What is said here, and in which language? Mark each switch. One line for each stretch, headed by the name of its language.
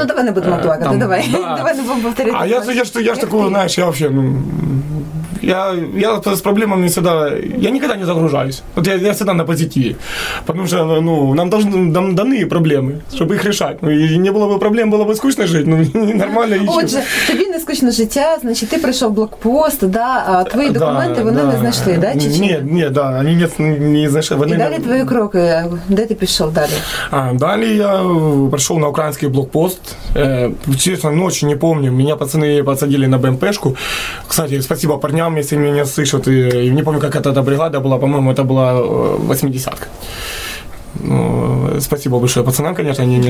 Russian: Ну, давай не будем плакати, давай не будем повторять. А я ж такого, знаешь, я вообще... Я с проблемами всегда, я никогда не загружаюсь. Вот я всегда на позитиве. Потому что нам даны проблемы, чтобы их решать. Ну, и не было бы проблем, было бы скучно жить, но нормально.
Ukrainian: Отже, тобі не скучне життя, значить ти пройшов блокпост, да, а твої документи вони не знайшли, да? Ні, да, вони не знайшли. І далі твої кроки, де ти пішов далі? Далі я прийшов на український блокпост. Чесно, ночі не пам'ятаю, мене пацани посадили на БМПшку. Кстати,
Russian: спасибо парням,
Ukrainian: якщо мене слышать, і не пам'ятаю, яка та бригада була, по-моєму, це була 80-ка.
Russian: Ну, спасибо большое пацанам, конечно, они...